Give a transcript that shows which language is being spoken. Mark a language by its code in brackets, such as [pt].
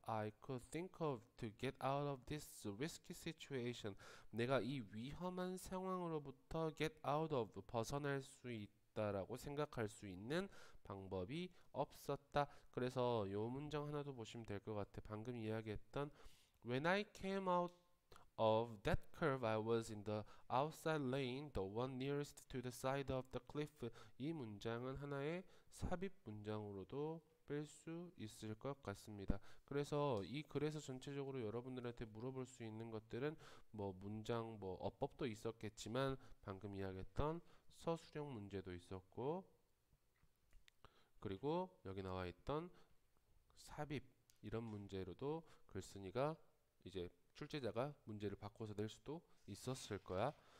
[en] I could think of to get out of this risky situation. [ko] 내가 이 위험한 상황으로부터 [en] get out of, [ko] 벗어날 수 있다라고 생각할 수 있는 방법이 없었다. 그래서 이 문장 하나도 보시면 될것 같아. 방금 이야기했던 [en] When I came out of that curve, I was in the outside lane, the one nearest to the side of the cliff. [ko] 이 문장은 하나의 삽입 문장으로도 뺄수 있을 것 같습니다. 그래서 이 글에서 전체적으로 여러분들한테 물어볼 수 있는 것들은 뭐 문장 뭐 어법도 있었겠지만 방금 이야기했던 서술형 문제도 있었고 그리고 여기 나와 있던 삽입 이런 문제로도 글쓴이가 이제 출제자가 문제를 바꿔서 낼 수도 있었을 거야.